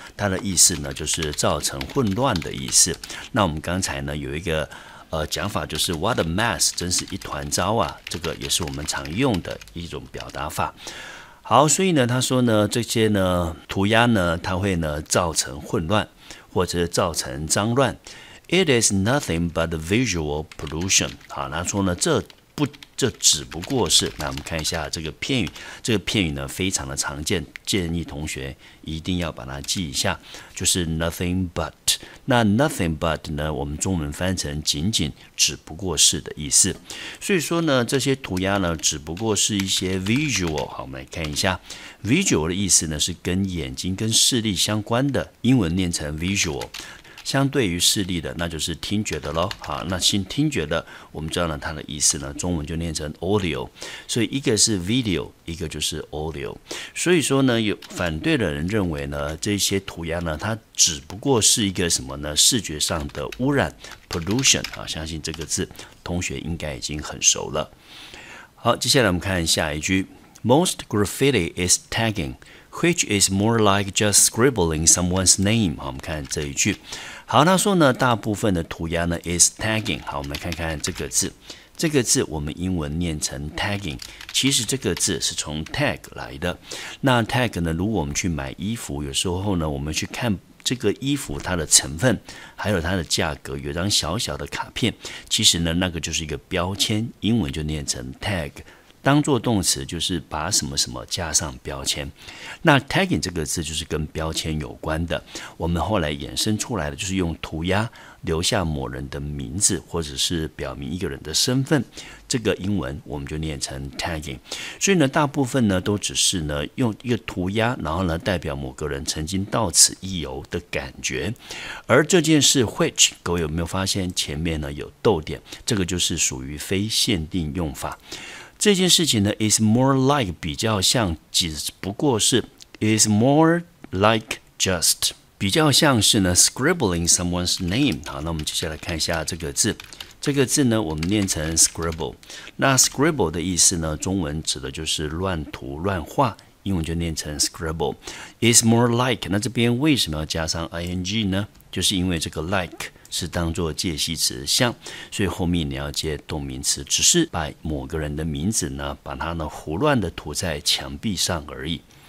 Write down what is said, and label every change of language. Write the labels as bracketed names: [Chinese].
[Chinese] 它的意思呢就是造成混乱的意思。那我们刚才呢有一个讲法就是 [English] what a mess, [Chinese] 真是一团糟啊。这个也是我们常用的一种表达法。好，所以呢他说呢这些呢涂鸦呢它会呢造成混乱或者造成脏乱。 [English] It is nothing but visual pollution. [Chinese] 好，他说呢，这只不过是。那我们看一下这个片语，这个片语呢非常的常见，建议同学一定要把它记一下，就是 [English] nothing but。 [Chinese] 那 [English] nothing but [Chinese] 呢，我们中文翻成仅仅、只不过是的意思。所以说呢，这些涂鸦呢，只不过是一些 visual。好，我们来看一下 visual 的意思呢，是跟眼睛、跟视力相关的，英文念成 visual。相对于视力的那就是听觉的咯。好，那新听觉的我们知道呢它的意思呢中文就念成 audio。所以一个是 video, 一个就是 audio。所以说呢有反对的人认为呢这些涂鸦呢它只不过是一个什么呢视觉上的污染 pollution。好，相信这个字同学应该已经很熟了。好，接下来我们看下一句。 [English] Most graffiti is tagging,Which is more like just scribbling someone's name. [Chinese] 好，我们看这一句。好，他说呢，大部分的涂鸦呢 [English] is tagging. [Chinese] 好，我们来看看这个字。这个字我们英文念成 tagging, 其实这个字是从 tag 来的。那 tag 呢，如果我们去买衣服，有时候呢，我们去看这个衣服它的成分还有它的价格，有张小小的卡片，其实呢，那个就是一个标签，英文就念成 tag。当作动词就是把什么什么加上标签。那 tagging 这个字就是跟标签有关的，我们后来衍生出来的就是用涂鸦留下某人的名字或者是表明一个人的身份，这个英文我们就念成 tagging。所以呢大部分呢都只是呢用一个涂鸦然后呢代表某个人曾经到此一游的感觉。而这件事 which, 各位有没有发现前面呢有逗点，这个就是属于非限定用法。这件事情呢 [English] is more like, [Chinese] 比较像，只不过是 [English] is more like just, [Chinese] 比较像是呢 [English] scribbling someone's name。 [Chinese] 好，那我们接下来看一下这个字。这个字呢我们念成 scribble。那 scribble 的意思呢中文指的就是乱涂乱画，英文就念成 scribble。 [English] is more like, [Chinese] 那这边为什么要加上 ing 呢，就是因为这个 like是当作介系词像，所以后面你要接动名词，只是把某个人的名字呢把它呢胡乱的涂在墙壁上而已。